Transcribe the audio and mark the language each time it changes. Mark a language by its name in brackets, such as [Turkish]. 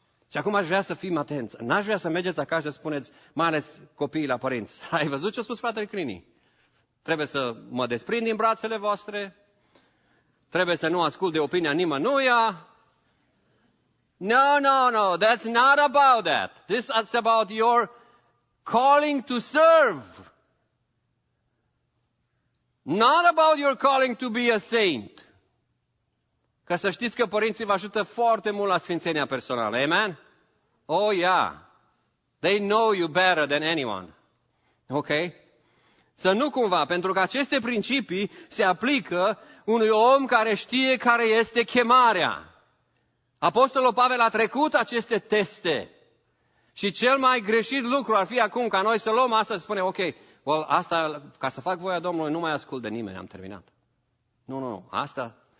[Romanian] Și acum aș vrea să fim atenți. N-aș vrea să mergeți acasă și să spuneți, mai ales copiii la părinți, ai văzut ce a spus fratele Crini? Trebuie să mă desprind din brațele voastre, trebuie să nu ascult de opinia nimănuia. [English] No, that's not about that. This is about your calling to serve. Not about your calling to be a saint. [Romanian] Ca să știți că părinții vă ajută foarte mult la sfințenia personală. [English] Amen? Oh, yeah. They know you better than anyone. Ok? [Romanian] Să nu cumva, pentru că aceste principii se aplică unui om care știe care este chemarea. Apostolul Pavel a trecut aceste teste. Și cel mai greșit lucru ar fi acum ca noi să luăm asta și spune, ok, well, asta, ca să fac voia Domnului, nu mai ascult de nimeni, am terminat. Nu, asta...